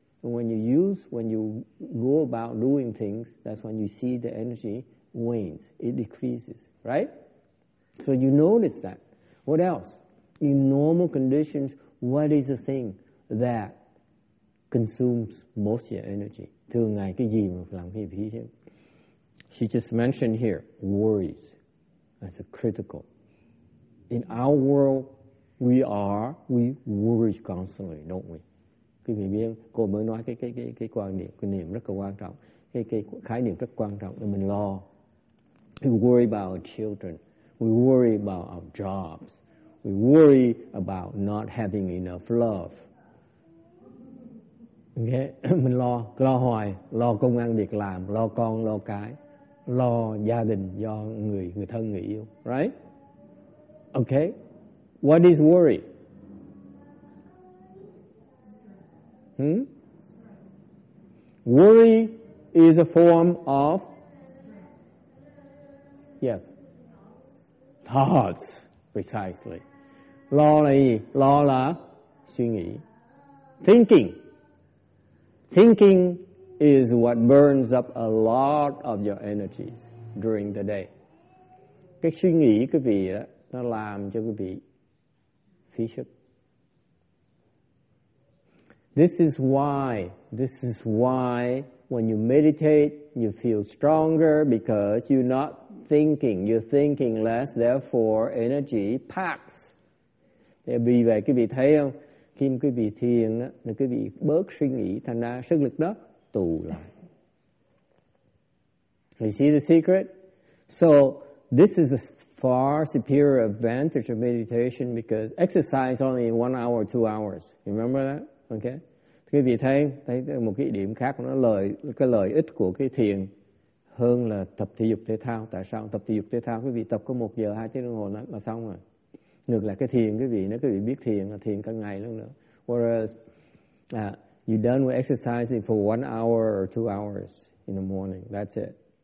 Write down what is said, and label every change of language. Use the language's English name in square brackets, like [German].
[English] And when you go about doing things, that's when you see the energy wanes, it decreases, right? So you notice that. What else? In normal conditions, what is the thing that consumes most of your energy? [Vietnamese] Thường ngày cái gì mà làm cái phí chứ? [English] She just mentioned here, worries. That's a critical. In our world, we worry constantly, don't we? [Vietnamese] Quý vị biết, cô mới nói cái quan điểm, cái niệm rất là quan trọng, cái khái niệm rất quan trọng là mình lo. [English] We worry about our children. We worry about our jobs. We worry about not having enough love. Okay? [Vietnamese] Mình lo hoài, lo công ăn việc làm, lo con, lo cái, lo gia đình, do người thân, người yêu. [English] Right? Okay? What is worry? Worry is a form of? Yes. Thoughts. Precisely. [Vietnamese] Lo là gì? Lo là suy nghĩ. [English] Thinking. Thinking is what burns up a lot of your energies during the day. [Vietnamese] Cái suy nghĩ quý vị á, nó làm cho quý vị phí sức. [English] This is why when you meditate, you feel stronger because you're not thinking. You're thinking less, therefore energy packs. [Vietnamese] Vì vậy quý vị thấy không? Khi quý vị thiền đó, thì quý vị bớt suy nghĩ, thành ra sức lực đó tụ lại. [English] You see the secret? So this is a far superior advantage of meditation because exercise only 1 hour, 2 hours. You remember that? Okay? [Vietnamese] Quý vị thấy một cái điểm khác, nó lợi ích của cái thiền hơn là tập thể dục thể thao. Tại sao tập thể dục thể thao? Quý vị tập có 1 giờ 2 tiếng đồng hồ là xong rồi. Ngược lại cái thiền, quý vị nếu quý vị biết thiền là thiền cả ngày luôn nữa. [English] Whereas you done with exercising for 1 hour or 2 hours in the morning, that's it.